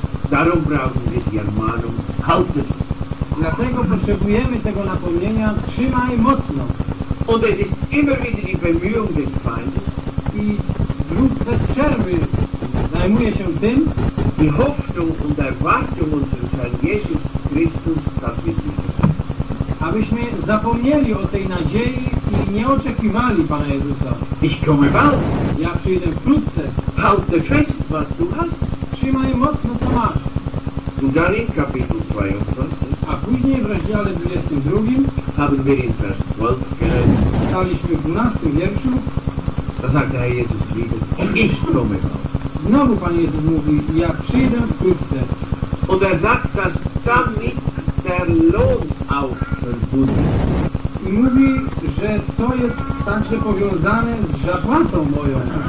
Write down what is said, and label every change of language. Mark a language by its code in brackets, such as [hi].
[de] Darum brauchen wir die Ermahnung, haltet. [pl] Dlatego potrzebujemy tego napomnienia, trzymaj mocno. [de] Und es ist immer wieder die Bemühung des Feindes. [pl] I wróg bez przerwy zajmuje się tym, [de] die Hoffnung und Erwartung unseres Herrn Jesus Christus, das wir nicht. [pl] Abyśmy zapomnieli o tej nadziei i nie oczekiwali Pana Jezusa. [de] Ich komme bald. [pl] Ja przyjdę wkrótce. [de] Halte fest, was du hast. [pl] Trzymaj mocno, co masz. [de] Und dann in Kapitel 22. [pl] A później w rozdziale 22. [de] Haben wir in Vers 12 gelesen. [pl] Czytaliśmy w 12 wierszu. [de] Da sagt der Jesus wieder. Ich komme. [pl] Znowu Pan Jezus mówi, ja przyjdę wkrótce. [de] Und er sagt, dass damit der Lohn auch verbunden ist. [pl] I mówi, że to jest także powiązane z zapłatą moją.